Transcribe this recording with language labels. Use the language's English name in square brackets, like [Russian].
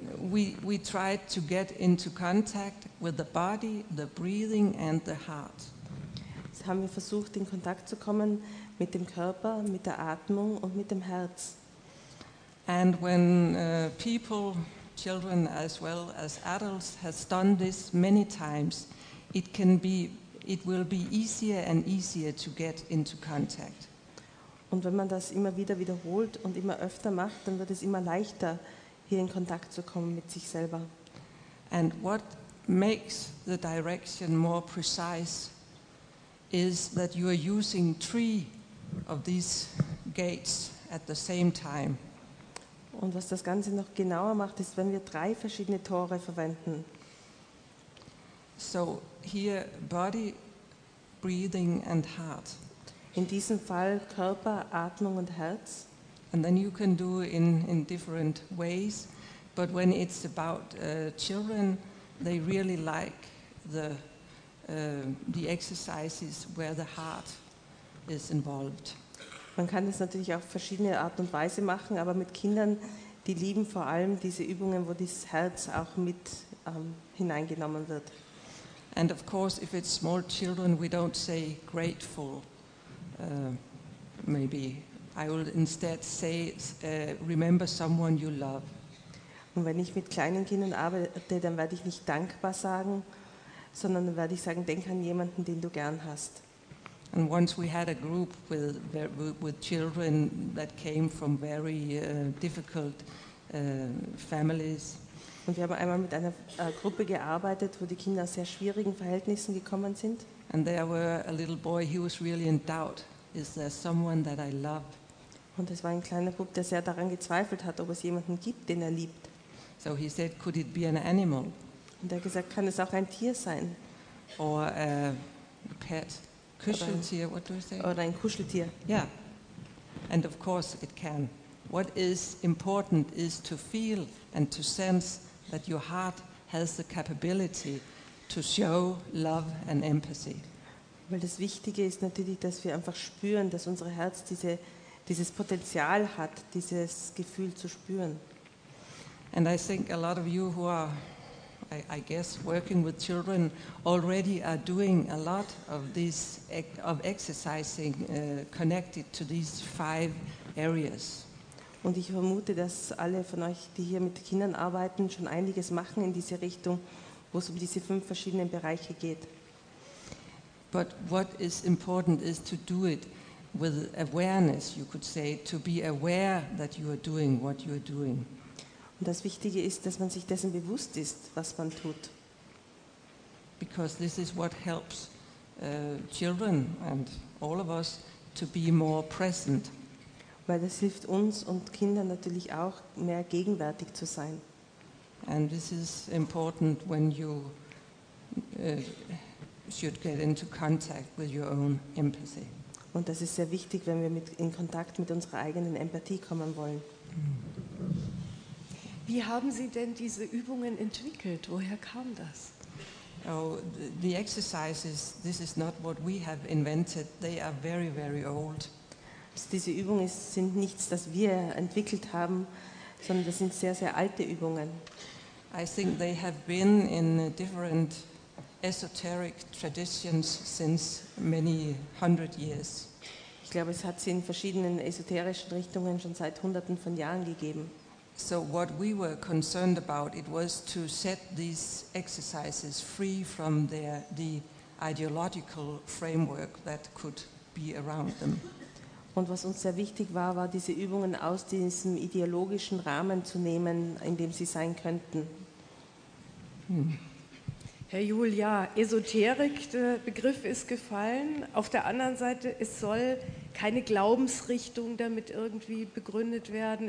[English] We tried to get into contact with the body, the breathing and the heart. [German] So haben wir versucht, in Kontakt zu kommen mit dem Körper, mit der Atmung und mit dem Herz. [English] And when people, children as well as adults, has done this many times, it will be easier and easier to get into contact. [German] Und wenn man das immer wieder wiederholt und immer öfter macht, dann wird es immer leichter, hier in Kontakt zu kommen mit sich selber. [English] And what makes the direction more precise is that you are using three of these gates at the same time. [German] Und was das Ganze noch genauer macht, ist, wenn wir drei verschiedene Tore verwenden. [English] So here body, breathing and heart. [German] In diesem Fall Körper, Atmung und Herz. [English] And then you can do in different ways, but when it's about children, they really like the exercises where the heart is involved. [German] Man kann es natürlich auch verschiedene Art und Weise machen, aber mit Kindern, die lieben vor allem diese Übungen, wo das Herz auch mit hineingenommen wird. [English] And of course, if it's small children, we don't say grateful, maybe. I will instead say, remember someone you love. [German] Und wenn ich mit kleinen Kindern arbeite, dann werde ich nicht dankbar sagen, sondern dann werde ich sagen, denk an jemanden, den du gern hast. [English] And once we had a group with children that came from very difficult families. [German] Und wir haben einmal mit einer Gruppe gearbeitet, wo die Kinder aus sehr schwierigen Verhältnissen gekommen sind. [English] And there were a little boy, he was really in doubt. Is there someone that I love? [German] Und es war ein kleiner Bub, der sehr daran gezweifelt hat, ob es jemanden gibt, den er liebt. [English] So he said, could it be an animal? [German] Und er hat gesagt, kann es auch ein Tier sein? [English] Or a pet, Kuscheltier, what do you say? [German] Oder ein Kuscheltier. [English] Yeah, and of course it can. What is important is to feel and to sense that your heart has the capability to show love and empathy. [German] Weil das Wichtige ist natürlich, dass wir einfach spüren, dass unser Herz dieses Potenzial hat, dieses Gefühl zu spüren. [English] And I think a lot of you who are, I guess, working with children already are doing a lot of this of exercising connected to these five areas. [German] Und ich vermute, dass alle von euch, die hier mit Kindern arbeiten, schon einiges machen in diese Richtung, wo es um diese fünf verschiedenen Bereiche geht. [English] But what is important is to do it with awareness, you could say, to be aware that you are doing what you are doing. [German] Und das Wichtige ist, dass man sich dessen bewusst ist, was man tut. [English] Because this is what helps children and all of us to be more present. [German] Weil das hilft uns und Kindern natürlich auch, mehr gegenwärtig zu sein. [English] And this is important when you should get into contact with your own empathy. [German] Und das ist sehr wichtig, wenn wir in Kontakt mit unserer eigenen Empathie kommen wollen. Wie haben Sie denn diese Übungen entwickelt? Woher kam das? [English] Oh, the exercises, this is not what we have invented. They are very, very old. [German] Diese Übungen sind nichts, das wir entwickelt haben, sondern das sind sehr, sehr alte Übungen. [English] I think they have been in different esoteric traditions since many hundred years. [German] Ich glaube, es hat sie in verschiedenen esoterischen Richtungen schon seit Hunderten von Jahren gegeben. [English] So what we were concerned about, it was to set these exercises free from the ideological framework that could be around them. [German] Und was uns sehr wichtig war, war diese Übungen aus diesem ideologischen Rahmen zu nehmen, in dem sie sein könnten. Herr Juhl, ja, Esoterik, der Begriff ist gefallen. Auf der anderen Seite, es soll keine Glaubensrichtung damit irgendwie begründet werden.